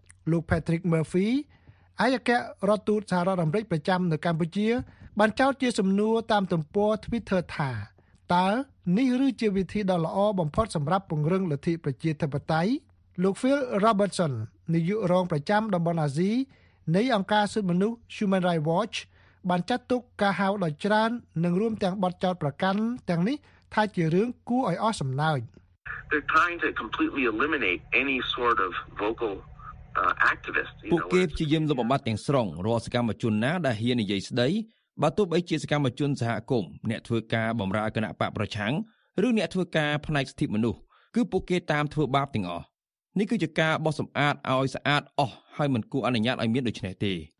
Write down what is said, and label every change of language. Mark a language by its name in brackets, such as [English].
[Khmer] លោក Patrick Murphy អាយកៈរដ្ឋទូតសហរដ្ឋអាមេរិកប្រចាំនៅកម្ពុជាបានចោទជាសំណួរតាមទំព័រ Twitter ថាតើនេះឬជាវិធីដ៏ល្អបំផុតសម្រាប់ពង្រឹងលទ្ធិប្រជាធិបតេយ្យលោក Phil Robertson នាយករងប្រចាំតំបន់អាស៊ីនៃអង្គការសិទ្ធិមនុស្ស Human Rights Watch បានចាត់ទុកការហៅដោយច្រើននិងរួមទាំងបទចោទប្រកាន់ទាំងនេះថាជារឿងគួរឲ្យអស់សំណើច [English] They're trying to completely eliminate any sort of vocal activist [Khmer] ពួកគេព្យាយាមលុបបំបាត់ទាំងស្រុងរាល់សកម្មជនណាដែលហ៊ាននិយាយស្ដីបើទោះបីជាសកម្មជនសហគមន៍អ្នកធ្វើការបម្រើគណៈបកប្រឆាំងឬអ្នកធ្វើការផ្នែកសិទ្ធិមនុស្សគឺពួកគេតាមធ្វើបាបទាំងអស់នេះគឺជាការបោះសម្អាតឲ្យស្អាតអស់ហើយមិនគួរអនុញ្ញាតឲ្យមានដូច្នេះទេ